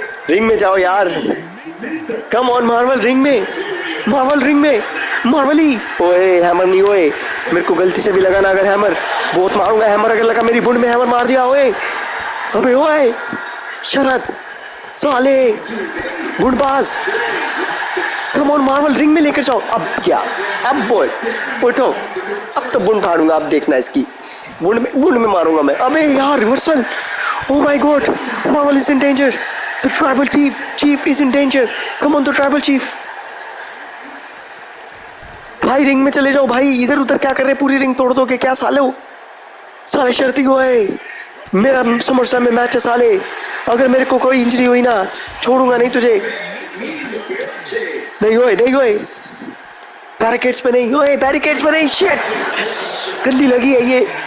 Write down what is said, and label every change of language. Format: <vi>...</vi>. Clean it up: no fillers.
<hi>Ring में जाओ यार कम ऑन मार्वल रिंग में मार्वली ओए हैमर नहीं ओए मेरे को गलती से भी लगा ना अगर हैमर बहुत मारूंगा हैमर अगर लगा मेरी बुंड में हैमर मार दिया ओए अबे ओए शरद साले बुंडबाज कम ऑन मार्वल रिंग में लेकर जाओ अब क्या अब बोल उठो अब तो बुंड फाड़ूंगा अब देखना इसकी बुंड में मारूंगा मैं अबे यार reversal oh my God Marvel is in danger</hi> <en>The tribal chief, is in danger. Come on, the tribal chief.</en> <hi>भाई रिंग में चले जाओ भाई, इधर उधर क्या कर रहे, पूरी रिंग तोड़ दोगे क्या साले? हो साले शर्ती हो है, मेरा समरसा में मैच है साले, अगर मेरे को कोई इंजरी हुई ना छोड़ूंगा नहीं तुझे। नहीं होए, नहीं होए, बैरिकेड्स पे नहीं होए, बैरिकेड्स पे नहीं, शिट, गंदी लगी है ये।</hi>